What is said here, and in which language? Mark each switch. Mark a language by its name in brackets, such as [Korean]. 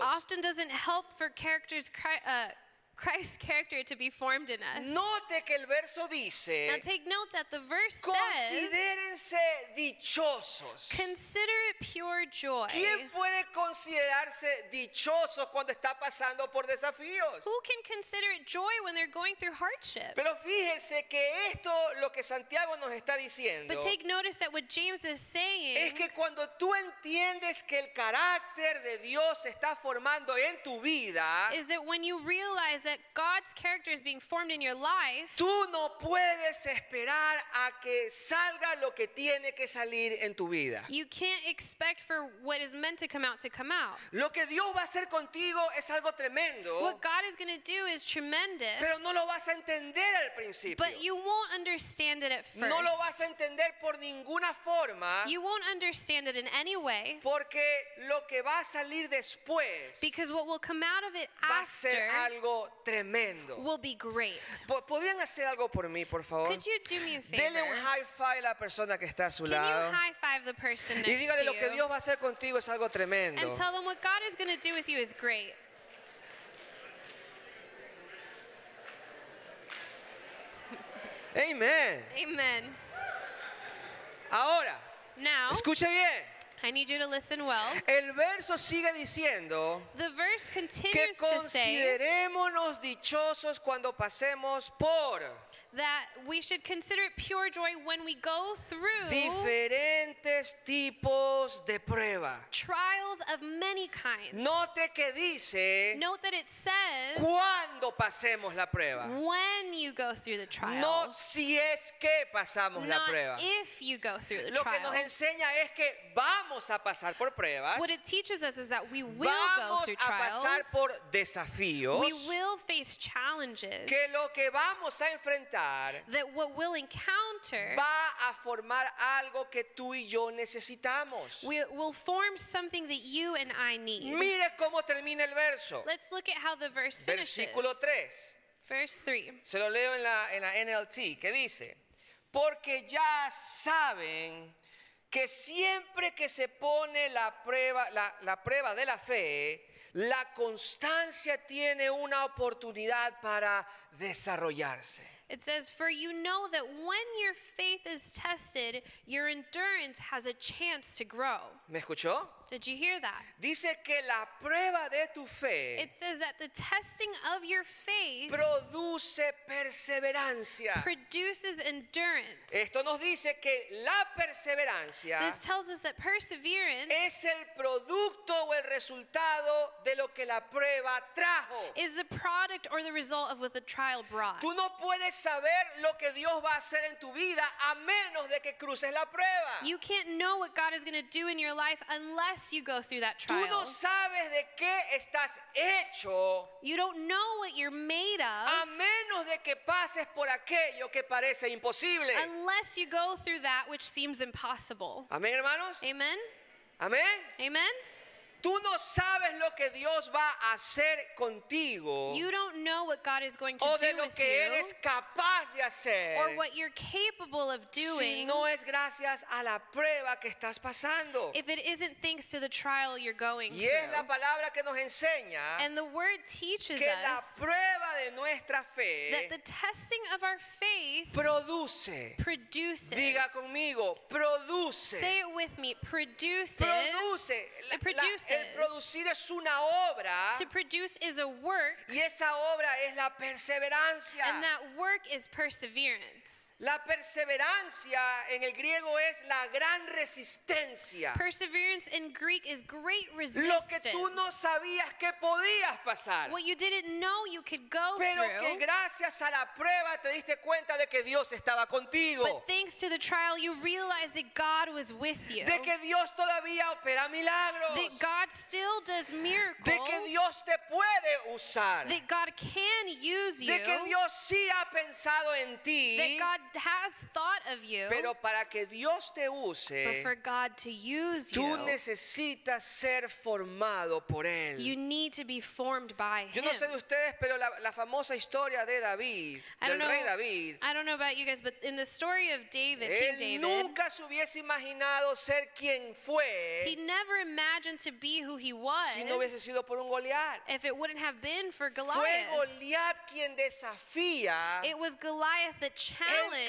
[English] Often doesn't help for characters Christ's character to be formed in us. [Spanish] Note que el verso dice, [English] now take note that the verse [Spanish] considérense [English] says, [Spanish] dichosos. [English] Consider it pure joy. [Spanish] ¿Quién puede considerarse dichoso cuando está pasando por desafíos? [English] Who can consider it joy when they're going through hardship? [Spanish] Pero fíjese que esto, lo que Santiago nos está diciendo, [English] but take notice that what James is saying, [Spanish] es que cuando tú entiendes que el carácter de Dios está formando en tu vida, [English] is that when you realize that God's character is being formed in your life, [Spanish] tú no puedes esperar a que salga lo que tiene que salir en tu vida. [English] You can't expect for what is meant to come out to come out. [Spanish] Lo que Dios va a hacer contigo es algo tremendo. [English] What God is going to do is tremendous. [Spanish] Pero no lo vas a entender al principio. [English] But you won't understand it at first. [Spanish] No lo vas a entender por ninguna forma. [English] You won't understand it in any way. [Spanish] Porque lo que va a salir después, [English] because what will come out of it after, [Spanish] va a ser algo tremendo. [English] Will be great. [Spanish] ¿Podrían hacer algo por mí, por favor? [English] Could you do me a favor? [Spanish] Dele un high five a la persona que está a su [English] can [Spanish] lado. [English] Can you high five the person next to you? [Spanish] Y dígale lo que Dios va a hacer contigo es algo tremendo. [English] And tell them what God is going to do with you is great. [Spanish] Amen. [English] Amen. [Spanish] Ahora. [English] Now. [Spanish] Escuche bien. [English] I need you to listen well. [Spanish] El verso sigue diciendo, [English] the verse continues [Spanish] que considerémonos dichosos cuando pasemos por, [English] that we should consider it pure joy when we go through [Spanish] diferentes tipos de prueba, [English] trials of many kinds. [Spanish] Note que dice, [English] note that it says, [Spanish] cuando pasemos la prueba, [English] when you go through the trial. [Spanish] No si es que pasamos la prueba, [English] if you go through the [Spanish] lo [English] trial. [Spanish] Que nos enseña es que vamos a pasar por pruebas. [English] What it teaches us is that we will [Spanish] vamos [English] go through trials. [Spanish] A pasar por desafíos. [English] We will face challenges. [Spanish] Que lo que vamos a enfrentar, [English] that what we'll encounter [Spanish] va a formar algo que tú y yo necesitamos. [English] Will form something that you and I need. [Spanish] Mire cómo termina el verso. [English] Let's look at how the verse finishes. [Spanish] Versículo 3. [English] Verse 3. [Spanish] Se lo leo en la NLT, que dice, porque ya saben que siempre que se pone la prueba, la prueba de la fe, la constancia tiene una oportunidad para desarrollarse. [English] It says, for you know that when your faith is tested, your endurance has a chance to grow. [Spanish] ¿Me escuchó? [English] Did you hear that? [Spanish] Dice que la prueba de tu fe, [English] it says that the testing of your faith [Spanish] produce perseverancia, [English] produces endurance. [Spanish] Esto nos dice que la perseverancia, [English] this tells us that perseverance [Spanish] es el producto o el resultado de lo que la prueba trajo, [English] is the product or the result of what the trial brought. [Spanish] Tú no puedes saber lo que Dios va a hacer en tu vida a menos de que cruces la prueba. [English] You can't know what God is going to do in your life unless you go through that trial. [Spanish] Tú no sabes de qué estás hecho, [English] you don't know what you're made of, [Spanish] a menos de que pases por aquello que parece imposible, [English] unless you go through that which seems impossible. [Spanish] Amén, hermanos. [English] Amen. [Spanish] Amén. [English] Amen. [Spanish] Tú no sabes lo que Dios va a hacer contigo, [English] you don't know what God is going to [Spanish] o de [English] do [Spanish] lo [English] with [Spanish] que [English] you, [Spanish] eres capaz de hacer, [English] or what you're capable of doing, [Spanish] si no es gracias a la prueba que estás pasando, [English] if it isn't thanks to the trial you're going [Spanish] y [English] through. [Spanish] Y es la palabra que nos enseña, [English] and the word teaches [Spanish] que [English] us, [Spanish] la prueba de nuestra fe, [English] that the testing of our faith [Spanish] produce, [English] produces, [Spanish] diga conmigo, produce, [English] say it with me, produces, [Spanish] produce, [English] produces. [Spanish] El producir es una obra, [English] to produce is a work, [Spanish] y esa obra es la perseverancia, [English] and that work is perseverance. [Spanish] La perseverancia en el griego es la gran resistencia. [English] Perseverance in Greek is great resistance. [Spanish] Lo que tú no sabías que podías pasar, [English] what you didn't know you could go through, [Spanish] pero que gracias a la prueba te diste cuenta de que Dios estaba contigo. [English] But thanks to the trial you realized that God was with you. [Spanish] De que Dios todavía opera milagros. [English] That God still does miracles. [Spanish] De que Dios te puede usar. [English] That God can use you. [Spanish] De que Dios sí ha pensado en ti. [English] That God has thought of you. [Spanish] Pero para que Dios te use, [English] but for God to use [Spanish] tú [English] you, [Spanish] necesitas ser formado por él. [English] You need to be formed by [Spanish] yo [English] him. [Spanish] No sé de ustedes, pero la famosa historia de David, rey David, [English] I don't know about you guys, but in the story of David, [Spanish] él [English] King David, [Spanish] nunca se hubiese imaginado ser quien fue, [English] he never imagined to be who he was, [Spanish] si no hubiese sido por un Goliat, [English] if it wouldn't have been for Goliath. [Spanish] Fue Goliat quien desafía, [English] it was Goliath that challenged,